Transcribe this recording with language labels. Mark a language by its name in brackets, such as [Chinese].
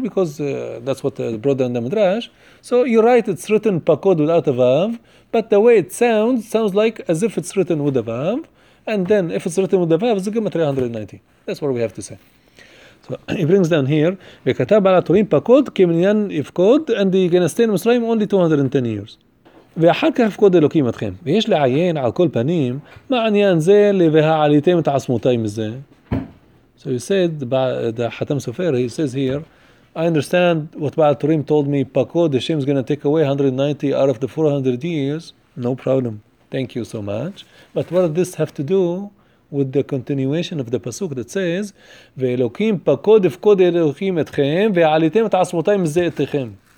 [English] Because that's what brought down the midrash. So you're right, it's written pakod without a vav, but the way it sounds like as if it's written with a vav. And then if it's written with a vav, it's a gematria 390. That's what we have to say. So he brings down here, [Hebrew] וכתב בעל התורים פקוד כמניין יפקוד, [English] and he's going to stay in Mitzrayim only 210 years. [Hebrew] ואחר כך יפקוד אלוקים אתכם. ויש לעיין על כל פנים, מה עניין זה והעליתם את עצמותי מזה? [English] So he said, the חתם סופר, he says here, I understand what Baal Turim told me, פקוד, Hashem is going to take away 190 out of the 400 years, no problem, thank you so much. But what does this have to do with the continuation of the pasuk that says, [Hebrew] ואלוקים פקוד יפקוד אלוקים אתכם, ועליתם את עצמותי מזה אתכם.